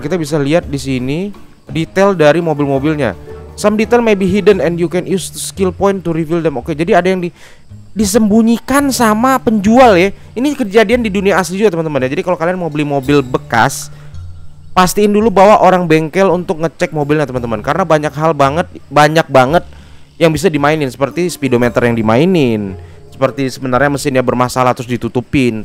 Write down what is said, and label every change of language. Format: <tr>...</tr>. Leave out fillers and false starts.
<id>Kita bisa lihat di sini detail dari mobil-mobilnya.</id> <en>Some detail may be hidden and you can use skill point to reveal them.</en> <id>Oke, jadi ada yang disembunyikan sama penjual ya. Ini kejadian di dunia asli juga, teman-teman ya. Jadi kalau kalian mau beli mobil bekas, pastiin dulu bawa orang bengkel untuk ngecek mobilnya, teman-teman. Karena banyak banget yang bisa dimainin, seperti speedometer yang dimainin, seperti sebenarnya mesinnya bermasalah terus ditutupin.</id>